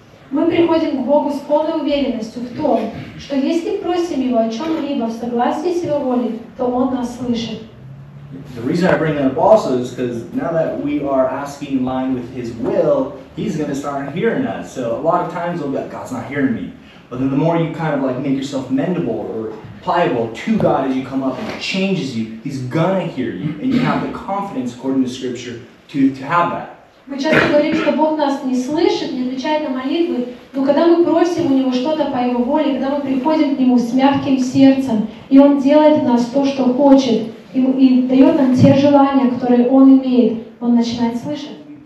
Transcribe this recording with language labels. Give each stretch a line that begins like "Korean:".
Russian: Мы приходим к Богу с полной уверенностью в том, что если просим Его о чем-либо в согласии с Его волей, то Он нас слышит.
English: The reason I bring that up also is because now that we are asking in line with His will, He's going to start hearing us. So a lot of times we'll be like, God's not hearing me. But then the more you kind of like make yourself mendable or pliable to God as you come up and it changes you, He's going to hear you. And you have the confidence, according to Scripture, to have that.
Russian: Мы часто говорим, что Бог нас не слышит, не отвечает на молитвы, но когда мы просим у Него что-то по Его воле, когда мы приходим к Нему с мягким сердцем, и Он делает в нас то, что хочет, и дает нам те желания, которые Он имеет, Он начинает слышать.